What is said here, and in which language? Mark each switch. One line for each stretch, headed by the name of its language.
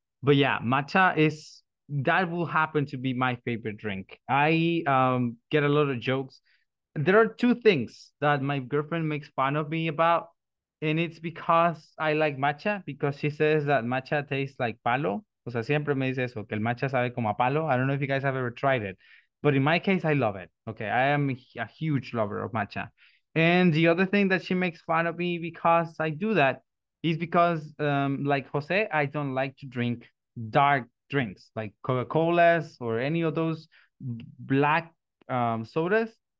English: But yeah, matcha is, that will happen to be my favorite drink. I get a lot of jokes. There are two things that my girlfriend makes fun of me about. And it's because I like matcha, because she says that matcha tastes like palo.
Spanish: O sea, siempre me dice eso, que el matcha sabe como a palo.
English: I don't know if you guys have ever tried it. But in my case, I love it. Okay, I am a huge lover of matcha. And the other thing that she makes fun of me because I do that is because, like Jose, I don't like to drink dark drinks, like Coca-Colas or any of those black sodas.